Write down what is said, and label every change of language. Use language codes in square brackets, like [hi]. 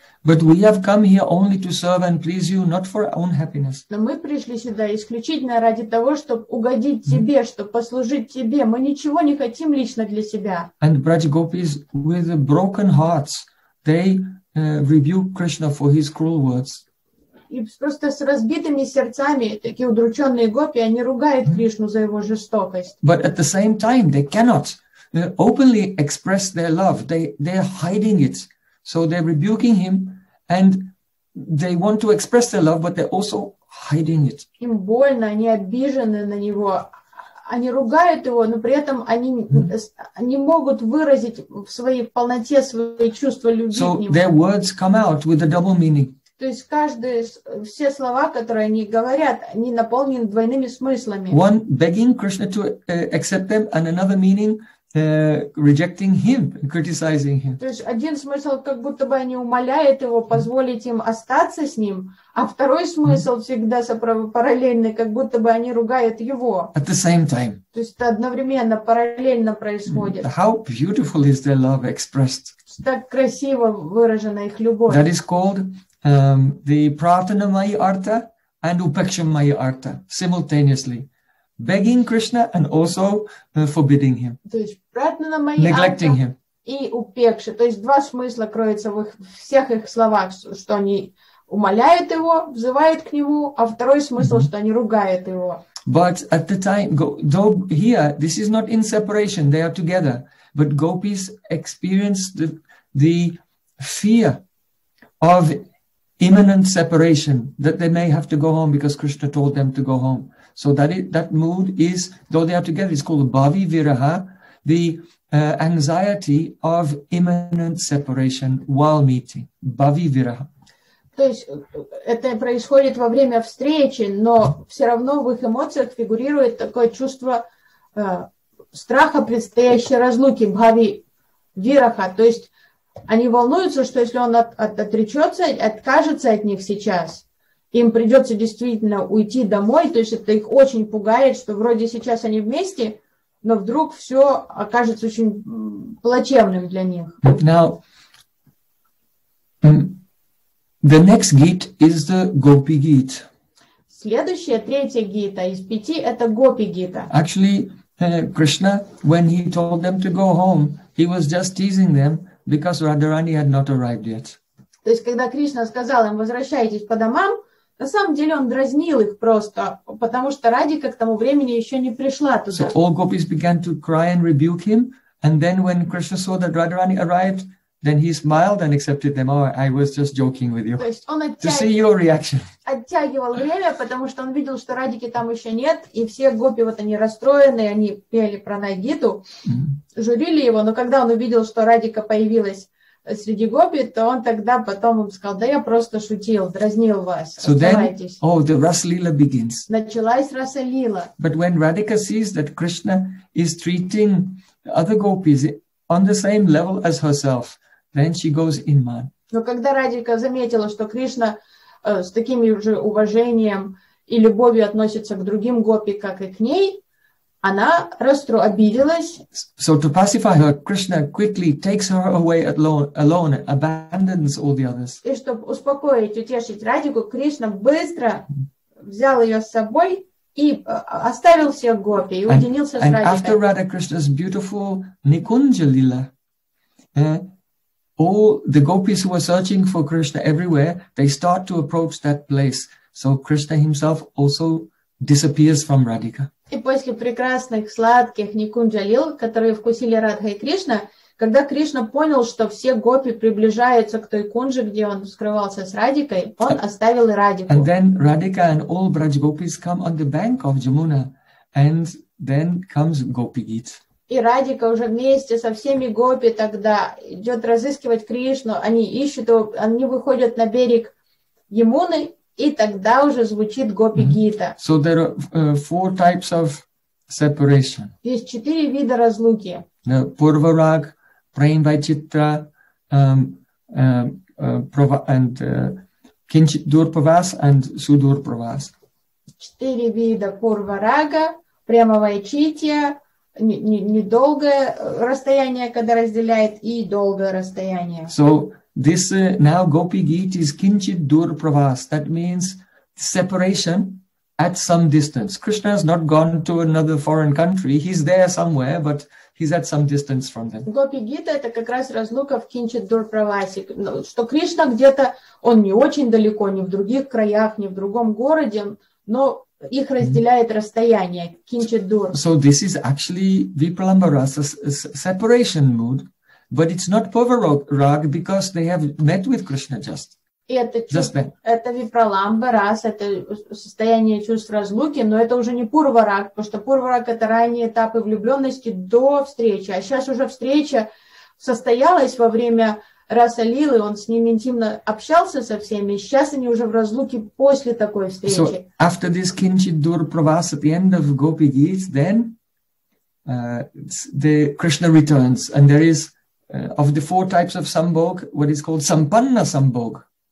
[en] But we have come here only to serve and please you, not for our own happiness. [ru] Но мы пришли сюда исключительно ради того, чтобы угодить тебе, чтобы послужить тебе. Мы ничего не хотим лично для себя. [en] And Brajagopis, with broken hearts, they rebuke Krishna for his cruel words. [ru] И просто с разбитыми сердцами такие удрученные гопи, они ругают Кришну за его жестокость. [en] But at the same time, they cannot openly express their love. They're hiding it. So they're rebuking him, and they want to express their love, but they're also hiding it. [ru] Им больно, они обижены на него, они ругают его, но при этом они не могут выразить в своей полноте свои чувства любви. [en] So their words come out with a double meaning. [ru] То есть каждые все слова, которые они говорят, они наполнены двойными смыслами. [en] One begging Krishna to accept them, and another meaning. Rejecting him, criticizing him. [ru] То есть один смысл, как будто бы они умоляют его позволить им остаться с ним, а второй смысл всегда параллельный, как будто бы они ругают его. [en] At the same time. [ru] То есть это одновременно, параллельно происходит. [en] How beautiful is their love expressed? [ru] Так красиво выражена их любовь. [en] That is called the Prarthana Mayi Artha and Upeksha Mayi Artha simultaneously. Begging Krishna and also forbidding him. [ru] То есть пратнана майи [en] арта. Neglecting him. [ru] И упекша. То есть два смысла кроются в их, всех их словах. Что они умоляют его, взывают к нему. А второй смысл, что они ругают его. [en] But at the time, though here, this is not in separation. They are together. But gopis experience the fear of imminent separation. That they may have to go home because Krishna told them to go home. So that mood is, though they are together, it's called bhavi viraha, the anxiety of imminent separation while meeting. Bhavi viraha. [ru] То есть это происходит во время встречи, но все равно в их эмоциях фигурирует такое чувство страха предстоящей разлуки, бхави вираха. То есть они волнуются, что если он отречется, откажется от них сейчас, им придется действительно уйти домой, то есть это их очень пугает, что вроде сейчас они вместе, но вдруг все окажется очень плачевным для них. [en] Now, the next gita is the Gopi gita. [ru] Следующая, третья гита из пяти, это Gopi gita. [en] Actually, Krishna, when he told them to go home, he was just teasing them because Radharani had not arrived yet. [ru] То есть, когда Кришна сказал им, возвращайтесь по домам, на самом деле он дразнил их просто, потому что Радика к тому времени еще не пришла туда. [en] So all gopis began to cry and rebuke him, and then when Krishna saw that Radharani arrived, then he smiled and accepted them. Oh, I was just joking with you. [ru] То есть он оттягивал время, потому что он видел, что Радики там еще нет, и все гопи, вот они расстроены, они пели про Нагиту, журили его, но когда он увидел, что Радика появилась среди гопи, то он тогда потом им сказал, да я просто шутил, дразнил вас. [en] So then, the Rasalila begins. [ru] Началась Rasalila. [en] But when Radhika sees that Krishna is treating other gopis on the same level as herself, then she goes in man. [ru] Но когда Радика заметила, что Кришна с таким же уважением и любовью относится к другим гопи, как и к ней, Она Растру обиделась. [en] So to pacify her, Krishna quickly takes her away alone, abandons all the others. [ru] И чтобы успокоить, утешить Радику, Кришна быстро взял ее с собой и оставил всех гопи, и уединился с Радикой. [en] And after Radha Krishna's beautiful Nikunja Lila, all the gopis who are searching for Krishna everywhere, they start to approach that place. So Krishna himself also disappears from Radhika. [ru] И после прекрасных, сладких Никунджалил, которые вкусили Радха и Кришна, когда Кришна понял, что все гопи приближаются к той кунже, где он скрывался с Радикой, он оставил и Радику. [en] And then Radhika and all Braj gopis come on the bank of Jamuna, and then comes Gopi Geet. [ru] И Радика уже вместе со всеми гопи тогда идет разыскивать Кришну. Они ищут его, они выходят на берег Ямуны, и тогда уже звучит Гопи Гита. [en] So there are four types of separation. [ru] Есть четыре вида разлуки. Пурвараг, Прейм Вайчитра, Дурпавас and Судурпавас. Четыре вида Пурварага, Прейма Вайчитра, недолгое расстояние, когда разделяет, и долгое расстояние. [en] So this now Gopi Geet is kinchit dur pravas. That means separation at some distance. Krishna has not gone to another foreign country. He's there somewhere, but he's at some distance from them. [ru] Gopi Geet это как раз разлука в kinchit dur pravas. Что Кришна где-то, он не очень далеко, не в других краях, не в другом городе, но их разделяет расстояние, kinchit dur. [en] So this is actually Vipralamba Rasa's separation mood, but it's not Purvarag because they have met with Krishna just. [ru] Это Vipralamba Rasa, это состояние чувств разлуки, но это уже не Purvarag, потому что Purvarag это ранние этапы влюбленности до встречи, а сейчас уже встреча состоялась во время Раса Лилы, он с ним интимно общался со всеми, сейчас они уже в разлуке после такой встречи. [en] So, after this kinchit dur pravas at the end of Gopi Geet, then the Krishna returns, and there is of the four types of sambhog, what is called sampanna sambhog.